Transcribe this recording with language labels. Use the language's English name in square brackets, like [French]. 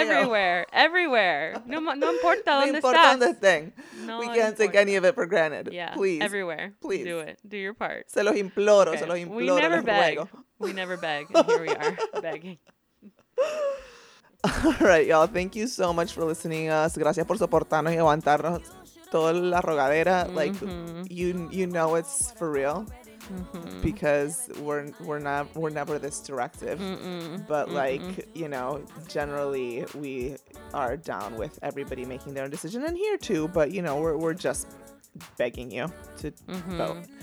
[English] Everywhere. Everywhere. [Spanish] No importa donde estás. No importa donde thing. [English] No, we can't take any of it for granted. Yeah. Please. Everywhere. Please. Do it. Do your part. [Spanish] Se los imploro. Okay. Se los imploro. [English] We never beg. We never beg. And here we are begging. All right, y'all. Thank you so much for listening to us. [Spanish] Gracias por soportarnos y aguantarnos toda la rogadera. Mm-hmm. [English] Like, you know it's for real. Mm-hmm. Because we're never this directive. Mm-mm. But like, you know, generally we are down with everybody making their own decision, and here too, but you know, we're just begging you to vote.